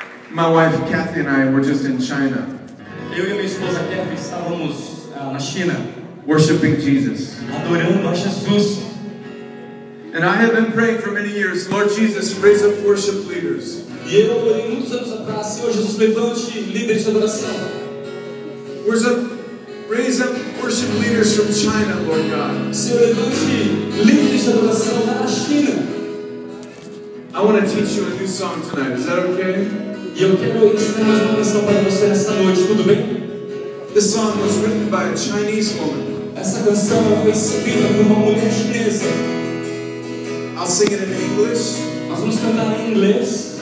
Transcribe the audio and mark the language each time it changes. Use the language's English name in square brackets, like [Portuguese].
[English] My wife Kathy and I were just in China. [Portuguese] Eu e minha esposa Kathy estávamos na China, [English] worshiping Jesus. [Portuguese] Adorando a Jesus. [English] And I have been praying for many years, Lord Jesus, raise up worship leaders. [Portuguese] E eu orei muitos anos atrás, Senhor Jesus, levante líderes de adoração. [English] Raise up worship leaders from China, Lord God. [Portuguese] Senhor, levante líderes de adoração lá na China. [English] I want to teach you a new song tonight, is that okay? [Portuguese] E eu quero ensinar mais uma canção para você nesta noite, tudo bem? [English] This song was written by a Chinese woman. [Portuguese] Essa canção foi escrita por uma mulher chinesa. [English] I'll sing it in English. [Portuguese] Nós vamos cantar em inglês.